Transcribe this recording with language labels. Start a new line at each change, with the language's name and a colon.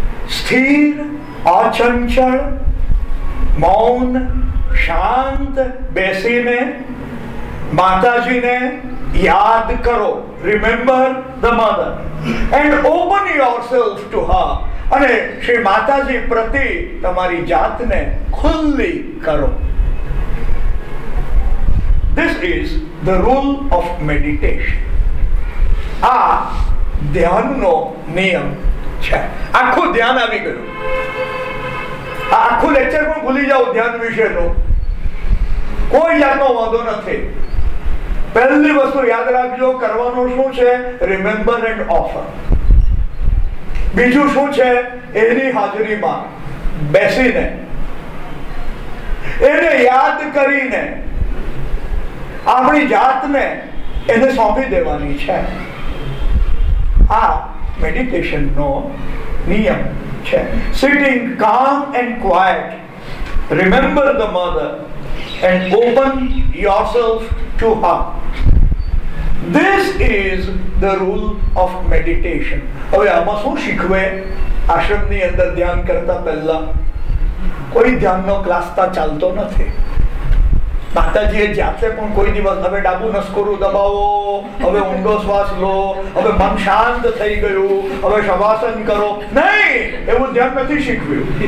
Gujarati: સ્થિર, અચંચળ, મૌન, શાંત બેસીને માતાજીને યાદ કરો,
English: Remember the mother and open yourself to her.
Gujarati: અને શ્રી માતાજી પ્રતિ તમારી જાતને ખુલ્લી કરો.
English: This is the rule of meditation.
Gujarati: આ ધ્યાનનો નિયમ છે. આખું ધ્યાન આવી ગયું. આખું લેક્ચર પણ ભૂલી જાઓ ધ્યાન વિશેનું. કોઈ યાદનો વાંધો નથી. પહેલી વસ્તુ યાદ રાખજો, કરવાનું શું છે,
English: Remember and offer.
Gujarati: બીજું શું છે, એની હાજરીમાં બેસીને એને યાદ કરીને આપણી જાતને એને સોંપી દેવાની છે. આ મેડિટેશનનો નિયમ છે.
English: Sitting calm and quiet remember the mother and open yourself to her. This is the rule of meditation.
Gujarati: હવે આમાં શું શીખવે, આશ્રમની અંદર ધ્યાન કરતા પહેલા કોઈ ધ્યાનનો ક્લાસ તો ચાલતો નથી. માતાજીએ જાતે પણ કોઈ દિવસ હવે ડાબુ નસકોરું દબાવો, હવે ઊંડો શ્વાસ લો, હવે મન શાંત થઈ ગયું, હવે શવાસન કરો, નહીં, એવું ધ્યાન નથી શીખવ્યું.